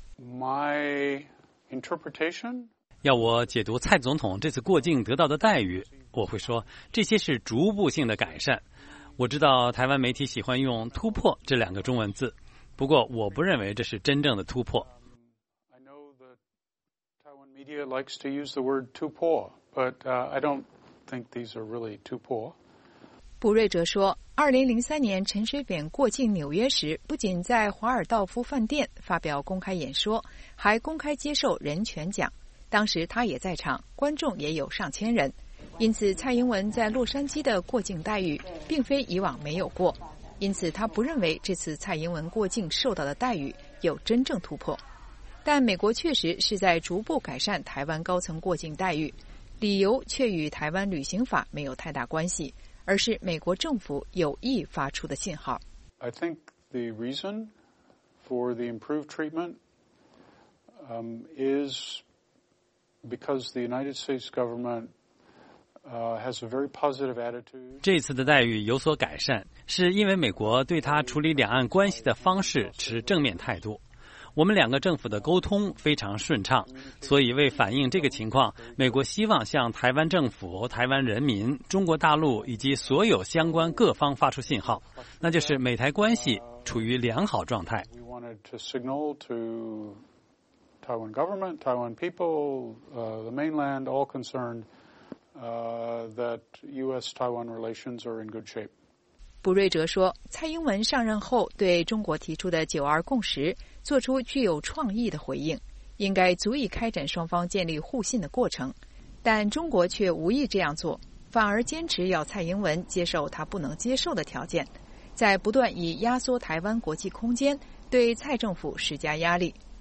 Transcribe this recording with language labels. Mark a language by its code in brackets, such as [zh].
[en] My interpretation? [zh] 要我解读蔡总统这次过境得到的待遇，我会说这些是逐步性的改善。我知道台湾媒体喜欢用突破这两个中文字，不过我不认为这是真正的突破。 [en] Media likes to use the word too poor, but I don't think these are really too poor. [zh] 卜瑞哲说，2003年陈水扁过境纽约时，不仅在华尔道夫饭店发表公开演说，还公开接受人权奖。当时他也在场，观众也有上千人。因此，蔡英文在洛杉矶的过境待遇并非以往没有过。因此，他不认为这次蔡英文过境受到的待遇有真正突破。但美国确实是在逐步改善台湾高层过境待遇，理由却与台湾旅行法没有太大关系，而是美国政府有意发出的信号。 [en] I think the reason for the improved treatment, is because the United States government, has a very positive attitude. [zh] 这次的待遇有所改善，是因为美国对他处理两岸关系的方式持正面态度。我们两个政府的沟通非常顺畅，所以为反映这个情况，美国希望向台湾政府、台湾人民、中国大陆以及所有相关各方发出信号，那就是美台关系处于良好状态。 [en] We wanted to signal to Taiwan government, Taiwan people, the mainland, all concerned, that U.S.-Taiwan relations are in good shape. [zh] 卜瑞哲说，蔡英文上任后对中国提出的九二共识做出具有创意的回应，应该足以开展双方建立互信的过程，但中国却无意这样做，反而坚持要蔡英文接受他不能接受的条件，在不断以压缩台湾国际空间对蔡政府施加压力。